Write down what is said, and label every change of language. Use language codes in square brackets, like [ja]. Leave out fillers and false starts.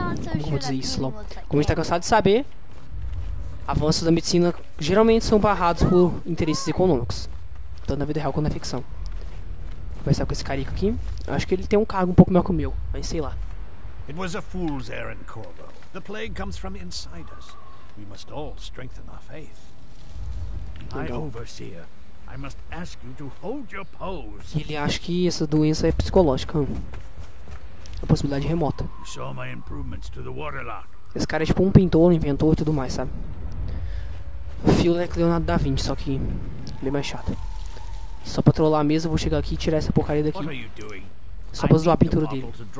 [pt] Como vou dizer isso, Lom? Como a gente tá cansado de saber, avanços da medicina geralmente são barrados por interesses econômicos. Tanto na vida real quanto na ficção. Vou conversar com esse carico aqui. Acho que ele tem um cargo um pouco maior que o meu, mas sei lá. [en] It was a fool's errand, Corvo. The plague comes from inside us. We must all strengthen our faith. My overseer, I must ask you to hold your pose. [pt] Ele acha que essa doença é psicológica. A possibilidade remota. [en] You saw my improvements to the waterlock. [pt] Esse cara é tipo um pintor, um inventor e tudo mais, sabe? Phil é Leonardo da Vinci, só que ele é mais chato. Só pra trollar a mesa, eu vou chegar aqui e tirar essa porcaria daqui. Só pra zoar a pintura dele.